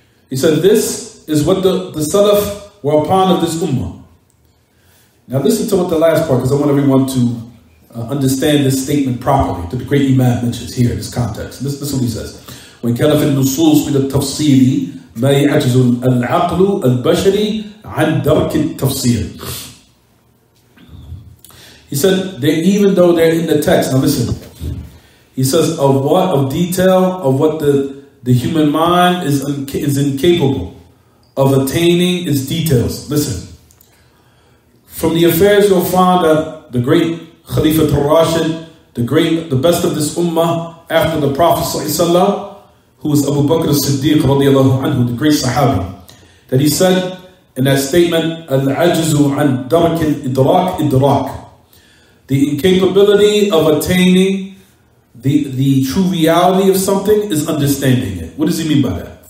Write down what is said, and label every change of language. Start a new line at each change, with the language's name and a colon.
English: He said, this is what the Salaf were upon of this Ummah. Now listen to what the last part, because I want everyone to understand this statement properly, that the great Imam mentions here in this context. This is what he says. When
Arabic: كان في النصوص من التفصيل ما يعجز العقل البشري عن درك التفصيل.
English: He said, they, even though they're in the text, now listen, he says, of what, of detail, of what the human mind is incapable of attaining its details. Listen, from the affairs you'll find that the great Khalifa al-Rashid, the best of this ummah after the Prophet ﷺ, who was Abu Bakr as-Siddiq radiallahu anhu, the great Sahabi, that he said in that statement,
Arabic: al-ajzu an darak idrak,
English: the incapability of attaining the true reality of something is understanding it. What does he mean by that?